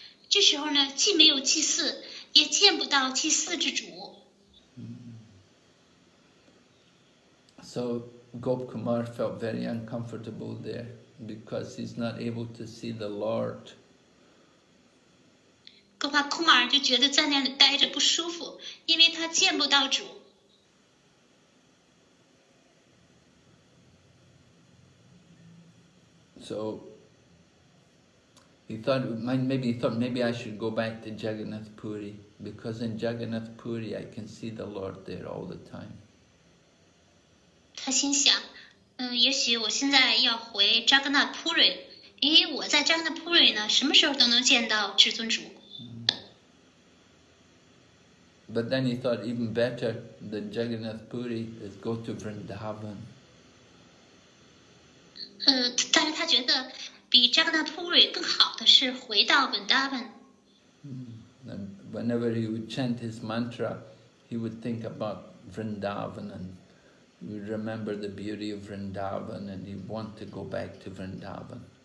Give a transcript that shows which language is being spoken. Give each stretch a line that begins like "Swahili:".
Chinese: 这时候呢，既没有祭祀，也见不到祭祀之主。
English: So Gop Kumar felt very uncomfortable there because he's not able to see the Lord.
Chinese: Gopal Kumar 就觉得在那里待着不舒服，因为他见不到主。
English: So he thought, maybe I should go back to Jagannath Puri because in Jagannath Puri I can see the Lord there all the time.
Chinese: 他心想，也许我现在要回扎格纳普瑞，因为我在扎格纳普瑞呢，什么时候都能见到至尊主。
English: But then he thought even better than Jagannath Puri is go to Vrindavan.
Chinese: 但是他觉得比扎格纳普瑞更好的是回到 Vrindavan.
English: Whenever he would chant his mantra, he would think about Vrindavan and he would remember the beauty of Vrindavan and he'd want to go back to Vrindavan.